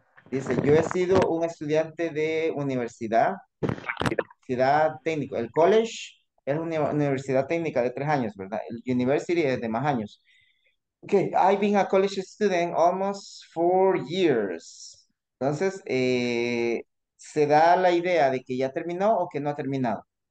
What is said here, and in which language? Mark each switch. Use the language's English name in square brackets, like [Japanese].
[Spanish] Dice, yo he sido un estudiante de universidad técnico. El college es una universidad técnica de 3 años, ¿verdad? El university es de más años. [English] Okay, I've been a college student almost 4 years. [Spanish] Entonces, ¿se da la idea de que ya terminó o que no ha terminado?